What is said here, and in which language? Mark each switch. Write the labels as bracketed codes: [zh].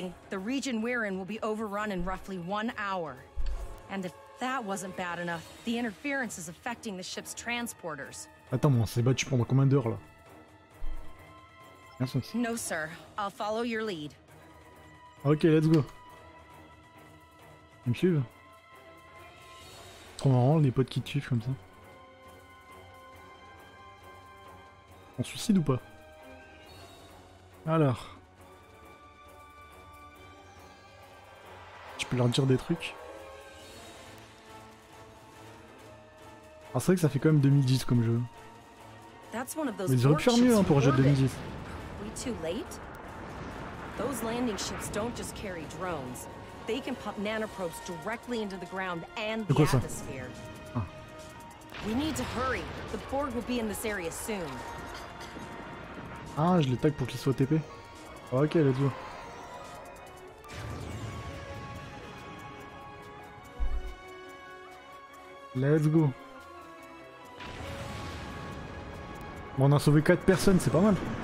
[en] The region we're in will be overrun in roughly 1 hour. And if that wasn't bad enough, the interference is affecting the ship's transporters. [fr] Attends, on s'est battu pendant combien d'heures là? Rien sens. [en] No, sir. I'll follow your lead. Ok, let's go. [fr] Ils me suivent. Trop marrant, les potes qui te suivent comme ça. On suicide ou pas? Alors. Tu peux leur dire des trucs. Alors c'est vrai que ça fait quand même 2010 comme jeu. Mais ils auraient pu faire mieux hein, pour un jeu de 2010. [en] Those landing ships don't just carry drones. They can pump nanoprobes directly into the ground and the atmosphere. We need to hurry. The Borg will be in this area soon. [fr] Ah, je les tag pour qu'ils soient TP. [en] Ok, let's go. Let's go. [fr] Bon, on a sauvé 4 personnes, c'est pas mal.